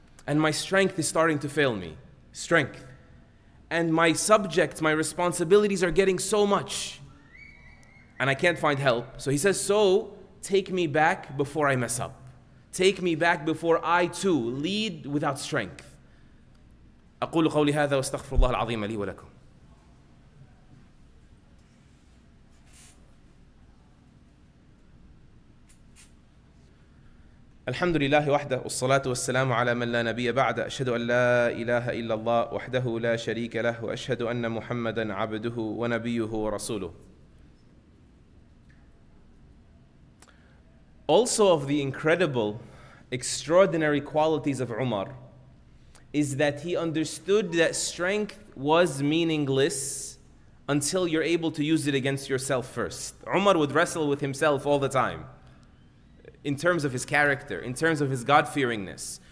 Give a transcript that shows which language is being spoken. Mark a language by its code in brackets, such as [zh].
[en] and my strength is starting to fail me. Strength. And my subject, my responsibilities are getting so much. And I can't find help. So he says, so take me back before I mess up. Take me back before I too lead without strength. [ar] أقول قولي هذا واستغفر الله العظيم لي ولكم. الحمد لله وحده والصلاة والسلام على من لا نبي بعد أشهد أن لا إله إلا الله وحده لا شريك له وأشهد أن محمدا عبده ونبيه ورسوله. [en] Also of the incredible, extraordinary qualities of Umar is that he understood that strength was meaningless until you're able to use it against yourself first. Umar would wrestle with himself all the time in terms of his character, in terms of his God-fearingness.